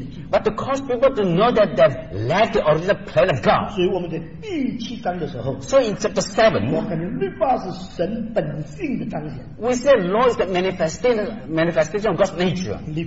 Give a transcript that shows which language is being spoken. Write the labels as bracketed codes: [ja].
[en] But to cause people to know that they've left the original plan of God. [zh] 所以我们在第七章的时候, [en] so in chapter 7, [zh] 我感觉律法是神本性的彰显, [en] we say law is the manifestation of God's nature.